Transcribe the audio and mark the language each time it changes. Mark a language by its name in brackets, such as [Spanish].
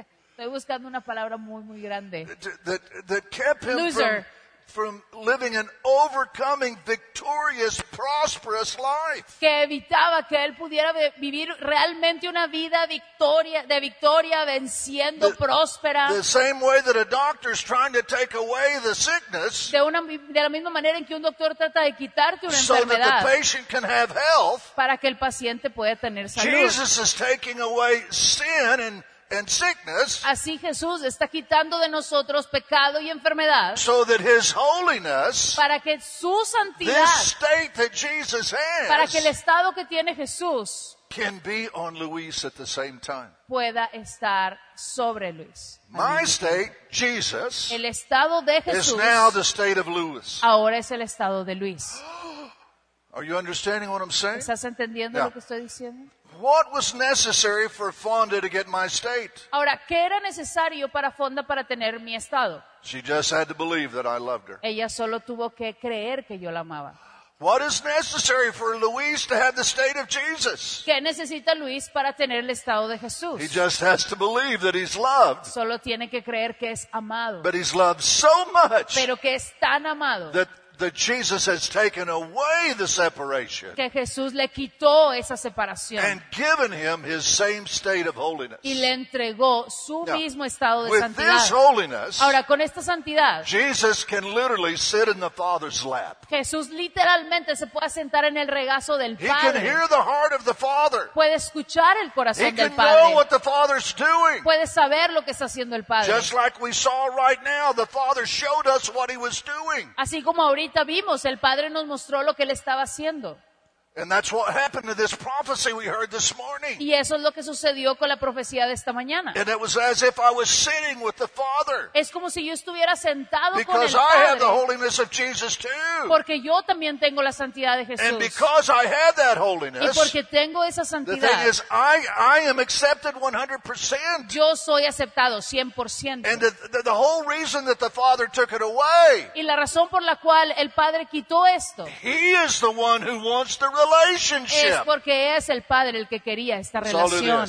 [Spanish] Estoy buscando una palabra muy muy grande. [English] That kept him loser. From living an overcoming, victorious, prosperous life. [Spanish] Que evitaba que él pudiera vivir realmente una vida de victoria, venciendo, próspera. [English] The same way that a doctor is trying to take away the sickness. [Spanish] De la misma manera en que un doctor trata de quitarte una [English] so [Spanish] enfermedad. [English] So that the patient can have health. [Spanish] Para que el paciente pueda tener salud. [English] Jesus is taking away sin and sickness, [Spanish] así Jesús está quitando de nosotros pecado y enfermedad [English] so that his holiness, [Spanish] para que su santidad [English] this state that Jesus has, [Spanish] para que el estado que tiene Jesús [English] can be on Luis at the same time. [Spanish] Pueda estar sobre Luis. [English] My state, Jesus, [Spanish] el estado de Jesús [English] is now the state of Luis. [Spanish] Ahora es el estado de Luis. [English] Are you understanding what I'm saying? [Spanish] ¿Estás entendiendo [English] now, [Spanish] lo que estoy diciendo? [English] What was necessary for Fonda to get my state? [Spanish] Ahora, ¿qué era necesario para Fonda para tener mi estado? [English] She just had to believe that I loved her. [Spanish] Ella solo tuvo que creer que yo la amaba. [English] What is necessary for Luis to have the state of Jesus? [Spanish] ¿Qué necesita Luis para tener el estado de Jesús? [English] He just has to believe that he's loved. [Spanish] Solo tiene que creer que es amado. [English] But he's loved so much. [Spanish] Pero que es tan amado. [English] That Jesus has taken away the separation. [Spanish] Que Jesús le quitó esa separación. [English] And given him his same state of holiness. [Spanish] Y le entregó su [English] now, [Spanish] mismo estado de [English] with [Spanish] santidad. [English] This holiness, [Spanish] ahora, con esta santidad, [English] Jesus can literally sit in the Father's lap. [Spanish] Jesús literalmente se puede sentar en el regazo del Padre. [English] He can hear the heart of the Father. [Spanish] Puede escuchar el corazón [English] he [Spanish] del Padre. [English] He can know what the Father's doing. [Spanish] Puede saber lo que está haciendo el Padre. [English] Just like we saw right now, the Father showed us what he was doing. [Spanish] Así como ahorita vimos, el Padre nos mostró lo que él estaba haciendo. [English] And that's what happened to this prophecy we heard this morning. [Spanish] Y eso es lo que sucedió con la profecía de esta mañana. [English] And it was as if I was sitting with the Father. [Spanish] Es como si yo estuviera sentado con el Padre. [English] Because I have the holiness of Jesus too. [Spanish] Porque yo también tengo la santidad de Jesús. [English] And because I have that holiness. [Spanish] Y porque tengo esa santidad. [English] The thing is, I am accepted 100%. [Spanish] Yo soy aceptado 100%. [English] And the whole reason that the Father took it away. [Spanish] Y la razón por la cual el Padre quitó esto. [English] He is the one who wants the relationship. [Spanish] Es porque es el padre el que quería esta relación.